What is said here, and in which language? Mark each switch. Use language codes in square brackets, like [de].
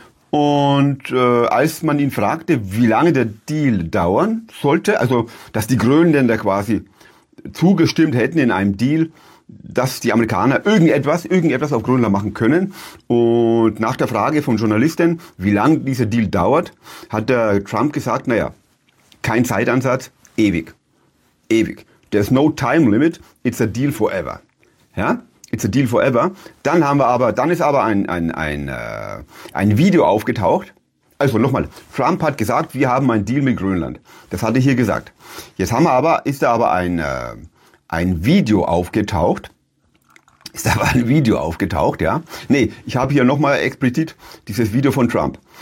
[de] Und als man ihn fragte, wie lange der Deal dauern sollte, also dass die Grönländer quasi zugestimmt hätten in einem Deal, dass die Amerikaner irgendetwas auf Grönland machen können. Und nach der Frage von Journalisten, wie lange dieser Deal dauert, hat der Trump gesagt, naja, kein Zeitansatz, ewig. Ewig. [en] There's no time limit, it's a deal forever. Ja, it's a deal forever. [de] Dann ist aber ein Video aufgetaucht. Also nochmal, Trump hat gesagt, wir haben einen Deal mit Grönland. Das hat er hier gesagt. Jetzt haben wir aber, ist da aber ein Video aufgetaucht. Ist da aber ein Video aufgetaucht, ja? Nee, ich habe hier nochmal explizit dieses Video von Trump.